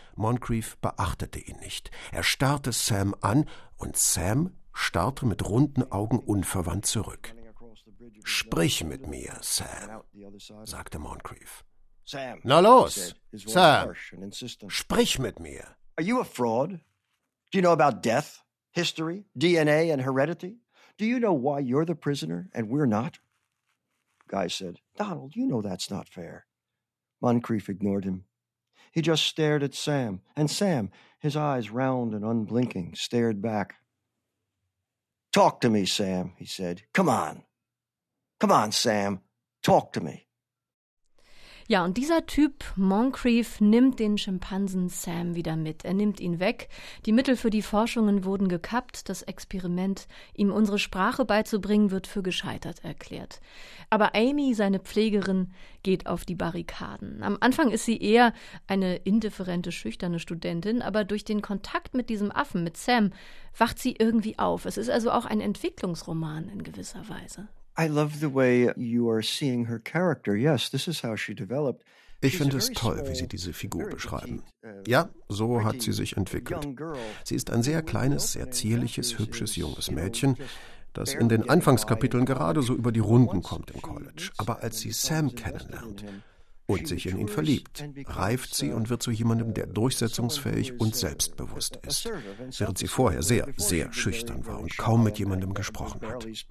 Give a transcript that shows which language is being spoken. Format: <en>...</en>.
<de>Moncrief beachtete ihn nicht. Er starrte Sam an und Sam starrte mit runden Augen unverwandt zurück. »Sprich mit mir, Sam«, sagte Moncrief. »Sam«, »na los, Sam, sprich mit mir.«</de> <en>»Are you a fraud? Do you know about death, history, DNA and heredity? Do you know why you're the prisoner and we're not?« Guy said, »Donald, you know that's not fair.« Moncrief ignored him. He just stared at Sam, and Sam, his eyes round and unblinking, stared back. Talk to me, Sam, he said. Come on. Come on, Sam. Talk to me.</en> <de>Ja, und dieser Typ, Moncrief, nimmt den Schimpansen Sam wieder mit. Er nimmt ihn weg. Die Mittel für die Forschungen wurden gekappt. Das Experiment, ihm unsere Sprache beizubringen, wird für gescheitert erklärt. Aber Amy, seine Pflegerin, geht auf die Barrikaden. Am Anfang ist sie eher eine indifferente, schüchterne Studentin. Aber durch den Kontakt mit diesem Affen, mit Sam, wacht sie irgendwie auf. Es ist also auch ein Entwicklungsroman in gewisser Weise.</de> <en>I love the way you are seeing her character. Yes, this is how she developed.</en> <de>Ich finde es toll, wie Sie diese Figur beschreiben. Ja, so hat sie sich entwickelt. Sie ist ein sehr kleines, sehr zierliches, hübsches, junges Mädchen, das in den Anfangskapiteln gerade so über die Runden kommt im College. Aber als sie Sam kennenlernt und sich in ihn verliebt, reift sie und wird zu jemandem, der durchsetzungsfähig und selbstbewusst ist, während sie vorher sehr, sehr schüchtern war und kaum mit jemandem gesprochen hat.</de>